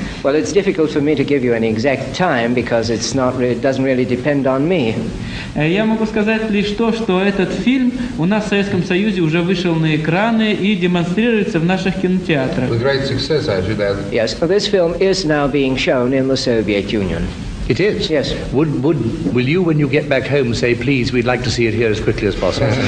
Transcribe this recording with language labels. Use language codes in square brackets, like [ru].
[en] Well, it's difficult for me to give you an exact time because it's not really, doesn't really depend on me. [ru] Я могу сказать лишь то, что этот фильм у нас в Советском Союзе уже вышел на экраны и демонстрируется в наших кинотеатрах. [en] With great success, I should add. Yes, this film is now being shown in the Soviet Union. It is? Yes. Will you, when you get back home, say, please, we'd like to see it here as quickly as possible?